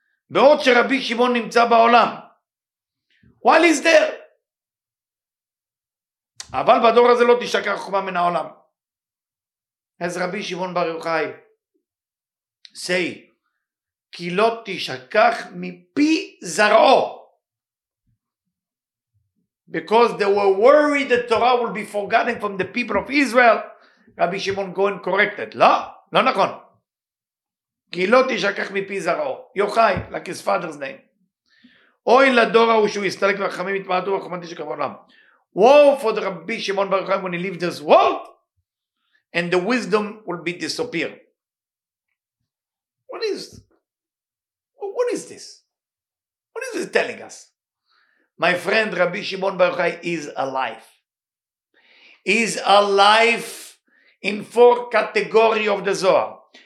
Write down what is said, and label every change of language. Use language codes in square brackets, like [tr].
[he] בעוד שרבי שמעון נמצא בעולם. [en] While he's there. [he] אבל בדור הזה לא תשכח חוכמה מן העולם. אז רבי שמעון בר יוחאי, say, כי לא תשכח מפי זרעו. [en] Because they were worried that Torah will be forgotten from the people of Israel, רבי שמעון go and correct it. [he] לא, לא נכון. כי לא תשכח מפי זרעו. יוחאי, [en] like his father's name. [he] אוי לדור ההוא שהוא הסתלק והחכמים התמעטו והחוכמה תשכח בעולם. [en] Woe for the Rabbi Shimon Bar Yochai when he leaves this world and the wisdom will be disappear. What is this? What is this telling us? My friend Rabbi Shimon Bar Yochai is alive. Is alive in four categories of the Zohar.